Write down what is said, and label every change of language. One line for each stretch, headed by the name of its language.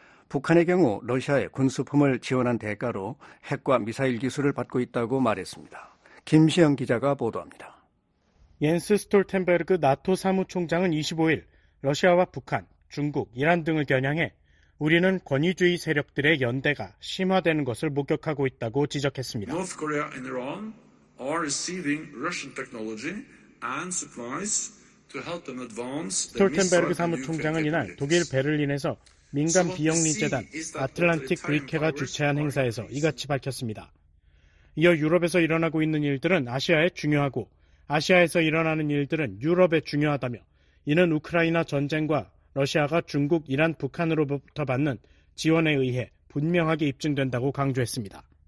Korean: 북한의 경우 러시아의 군수품을 지원한 대가로 핵과 미사일 기술을 받고 있다고 말했습니다. 김시영 기자가 보도합니다. 옌스 스톨텐베르그 나토 사무총장은 25일 러시아와 북한, 중국, 이란 등을 겨냥해 우리는 권위주의 세력들의 연대가 심화되는 것을 목격하고 있다고 지적했습니다.
English: North Korea and Iran are receiving Russian technology and supplies to help them advance.
Korean: 스톨텐베르그 사무총장은 이날 독일 베를린에서 민간 비영리재단 아틀란틱 브리케가 주최한 행사에서 이같이 밝혔습니다. 이어 유럽에서 일어나고 있는 일들은 아시아에 중요하고 아시아에서 일어나는 일들은 유럽에 중요하다며 이는 우크라이나 전쟁과 러시아가 중국, 이란, 북한으로부터 받는 지원에 의해 분명하게 입증된다고 강조했습니다.